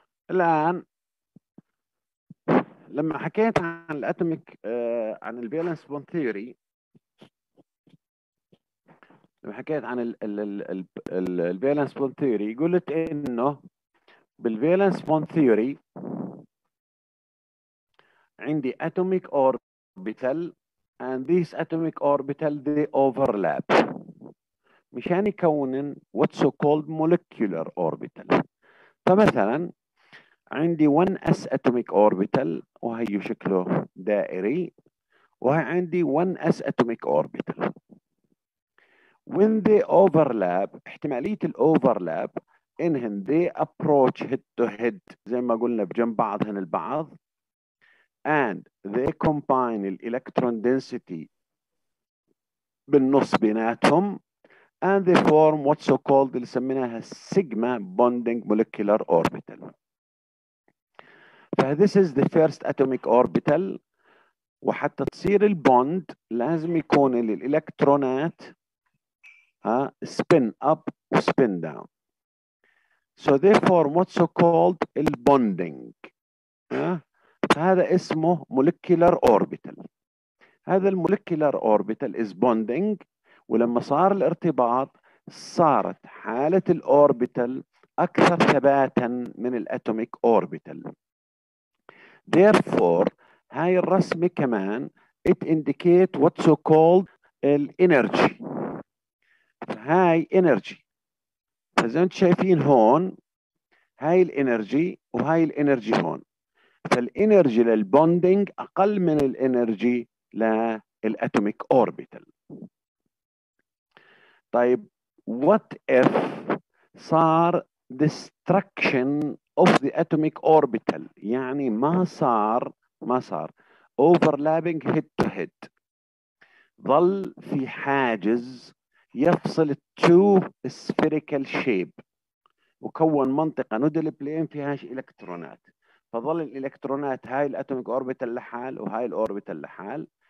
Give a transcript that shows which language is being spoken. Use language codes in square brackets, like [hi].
[ar] الآن لما حكيت عن [en] الأتوميك عن الفالنس بوند ثيوري، لما حكيت عن الفالنس بوند ثيوري قلت إنه بالفالنس بوند ثيوري عندي atomic orbital and these atomic orbital they overlap [ar] مشان يكونن [en] what's so called molecular orbital. [ar] فمثلا عندي 1s atomic orbital وهي شكله دائري، وهي عندي 1s atomic orbital. [en] When they overlap [ar] احتمالية الاوفرلاب انهم [en] they approach head to head [ar] زي ما قلنا بجنب بعضهن البعض، [en] and they combine the electron density [ar] بالنص بيناتهم، [en] and they form what's so called [ar] اللي سميناها [en] sigma bonding molecular orbital. This is the first atomic orbital. [ar] وحتى تصير البوند لازم يكون الالكترونات spin up spin down. [en] So they form what's so called bonding. [ar] هذا اسمه molecular orbital. [en] هذا molecular orbital is bonding. [ar] ولما صار الارتباط صارت حالة الاوربيتال أكثر ثباتا من الاتوميك اوربيتال. [en] Therefore, [ar] هاي الرسمة كمان [en] it indicate what's so called energy. [ar] هاي energy. فزي ما انت شايفين هون هاي الانرجي وهاي الانرجي هون. فالانرجي للبوندينج أقل من الانرجي للاتوميك اوربيتال. طيب what if صار [en] destruction of the atomic orbital، [ar] يعني ما صار overlapping head to head، ظل في حاجز يفصل [en] two spherical shape [ar] وكون منطقة نودل بلين فيهاش إلكترونات، فظل الإلكترونات هاي الأتوميك orbital لحال وهاي الأوربيتال لحال.